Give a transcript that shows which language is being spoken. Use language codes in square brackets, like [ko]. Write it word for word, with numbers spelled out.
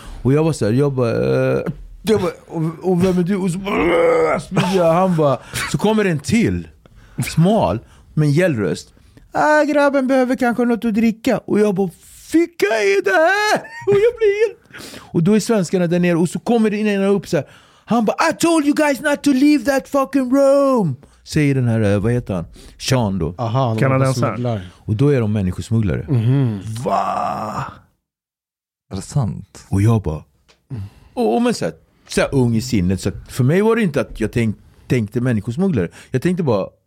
[sv] Och jag var så här, jag bara... Uh, jag bara och, och vem är du? Och så bara... Han bara... Så kommer en till. Smal, men gällröst. Ah, grabben behöver kanske något att dricka. Och jag bara... Ficka är det här? Och jag blir helt... Och då är svenskarna där nere och så kommer det in en upp så här. Han bara, [en] I told you guys not to leave that fucking room. [sv] Säger den här, vad heter han? Sean då. Aha, han kanadensare. Och då är de människosmugglare. Mm. Va? Är det sant? Och jag bara... Och, och men så här, så här ung i sinnet. Så för mig var det inte att jag tänk, tänkte människosmugglare. Jag tänkte bara...